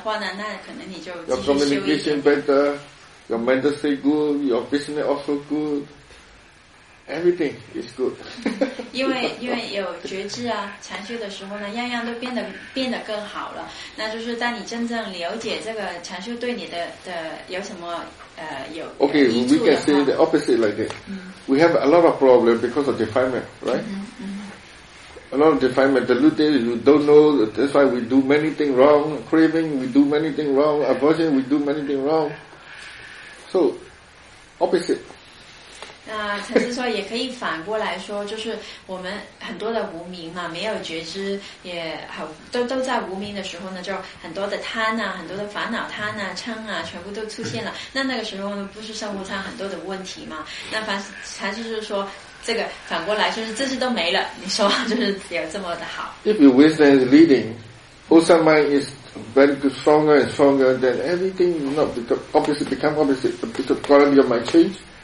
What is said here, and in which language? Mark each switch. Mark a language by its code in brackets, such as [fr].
[zh] 才是说这要看你自己的理解，就是你自己的智慧。如果明白一点点的话呢，那可能你就继续修一点。 [en] Your communication better, your mental state good, your business also good. Everything is good. [zh] 因为有觉知啊，禅修的时候呢，样样都变得更好了。那就是当你真正了解这个禅修对你的有什么有。Okay, [en] we can say the opposite like this. We have a lot of problems because of defilement, right? A not defilement. The root there is we don't know. That's why we do many things wrong. Craving, we do many things wrong. Aversion, we do many things wrong. So, opposite. [zh] 禅师说也可以反过来说，就是我们很多的无明嘛，没有觉知，也好，都在无明的时候呢，就很多的贪啊，很多的烦恼贪啊，嗔啊，全部都出现了。那个时候呢，不是生活禅很多的问题嘛？那禅师就是说，这个反过来就是这些都没了。你说就是有这么的好。 [en] If your wisdom is leading, wholesome mind is very stronger and stronger, then everything you know, because opposite become opposite, because quality of mind change.